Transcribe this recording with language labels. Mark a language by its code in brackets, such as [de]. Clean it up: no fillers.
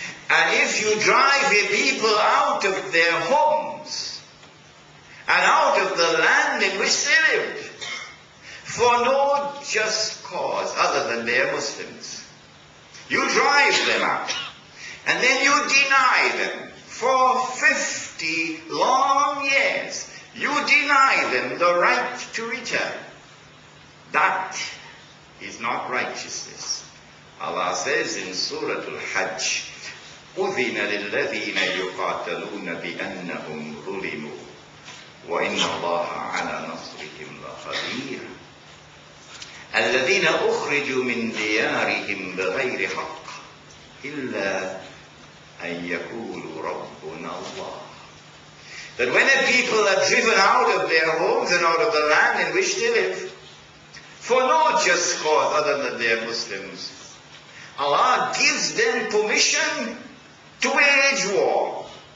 [en] And if you drive a people out of their homes and out of the land in which they lived, for no just cause other than they are Muslims, you drive them out, and then you deny them for 50 long years. You deny them the right to return. That is not righteousness. [ar] Allah says in Surah Al-Hajj, أُذِنَ لِلَّذِينَ يُقَاتَلُونَ بِأَنَّهُمْ ظُلِمُوا وَإِنَّ اللَّهَ عَلَى نَصْرِهِمْ لَقَدِيرٌ. الذين أخرجوا من ديارهم بغير حق إلا أن يقولوا ربنا الله. [en] That when a people are driven out of their homes and out of the land in which they live, for no just cause other than they are Muslims, Allah gives them permission to wage war.